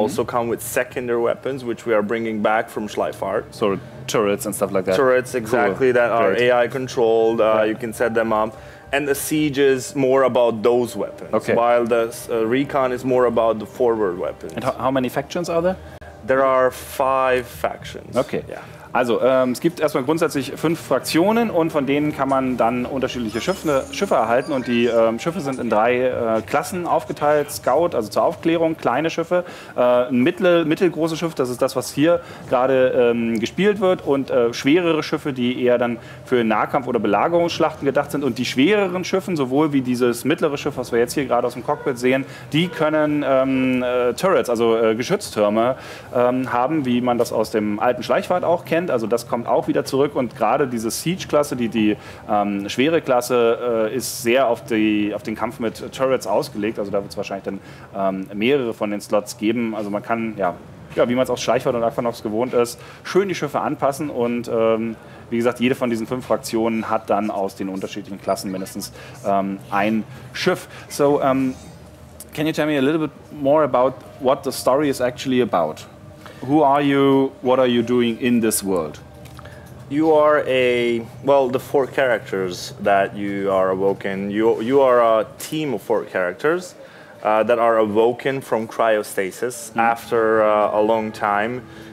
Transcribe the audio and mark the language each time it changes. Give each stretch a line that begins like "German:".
English: also come with secondary weapons, which we are bringing back from Schleifart. So turrets and stuff like that. Turrets, exactly, cool. that are AI controlled. Right. You can set them up. And the Siege is more about those weapons, okay. while the Recon is more about the forward weapons. And how many factions are there? There are 5 factions. Okay. Yeah.
German: Also, es gibt erstmal grundsätzlich 5 Fraktionen und von denen kann man dann unterschiedliche Schiffe erhalten. Und die Schiffe sind in 3 Klassen aufgeteilt. Scout, also zur Aufklärung, kleine Schiffe, ein mittelgroßes Schiff, das ist das, was hier gerade gespielt wird. Und schwerere Schiffe, die eher dann für Nahkampf- oder Belagerungsschlachten gedacht sind. Und die schwereren Schiffe, sowohl wie dieses mittlere Schiff, was wir jetzt hier gerade aus dem Cockpit sehen, die können Turrets, also Geschütztürme haben, wie man das aus dem alten Schleichwart auch kennt, also das kommt auch wieder zurück und gerade diese Siege-Klasse, die schwere Klasse, ist sehr auf den Kampf mit Turrets ausgelegt, also da wird es wahrscheinlich dann mehrere von den Slots geben, also man kann ja wie man es aus Schleichwart und Aquanox gewohnt ist, schön die Schiffe anpassen und wie gesagt, jede von diesen 5 Fraktionen hat dann aus den unterschiedlichen Klassen mindestens ein Schiff.
English: So, can you tell me a little bit more about what the story is actually about? Who are you? What are you doing in this world? You are the 4 characters that you are awoken. You are a team of 4 characters that are awoken from cryostasis after a long time.